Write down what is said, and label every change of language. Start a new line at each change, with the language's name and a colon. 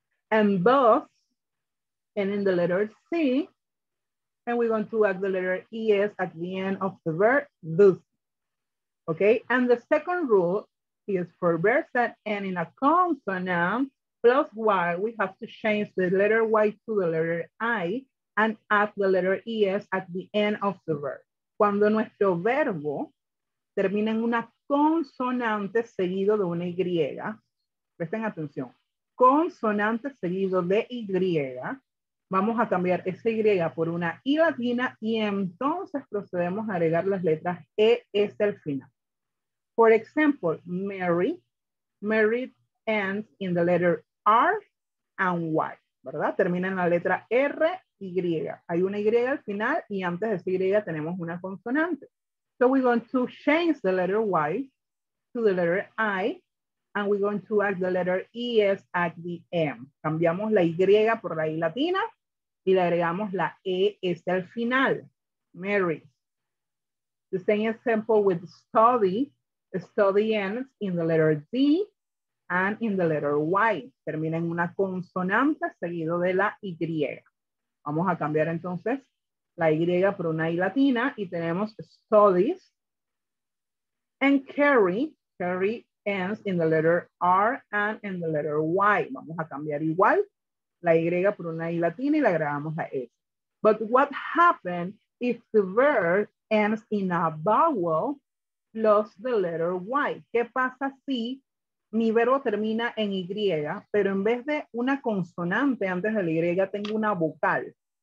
English: And both end in the letter C. And we're going to add the letter ES at the end of the verb, this. Okay, and the second rule is for verbs that end in a consonant plus Y, we have to change the letter Y to the letter I and add the letter ES at the end of the verb.
Spanish: Cuando nuestro verbo termina en una consonante seguido de una Y, presten atención, consonante seguido de Y, vamos a cambiar esa Y por una I latina y entonces procedemos a agregar las letras ES al final.
English: For example, Mary ends in the letter R and Y, ¿verdad?
Spanish: Termina en la letra R Y. Hay una Y al final y antes de esa Y tenemos una consonante.
English: So we're going to change the letter Y to the letter I and we're going to add the letter ES at the end.
Spanish: Cambiamos la Y por la I latina y le agregamos la ES al final. Mary.
English: The same example with study. Study ends in the letter D and in the letter Y.
Spanish: Termina en una consonante seguido de la Y. Vamos a cambiar entonces la Y por una I latina y tenemos studies.
English: And carry ends in the letter R and in the letter Y.
Spanish: Vamos a cambiar igual la Y por una I latina y le agregamos la S.
English: But what happened if the verb ends in a vowel plus the letter Y?
Spanish: ¿Qué pasa si mi verbo termina en Y, pero en vez de una consonante antes de la Y tengo una vocal?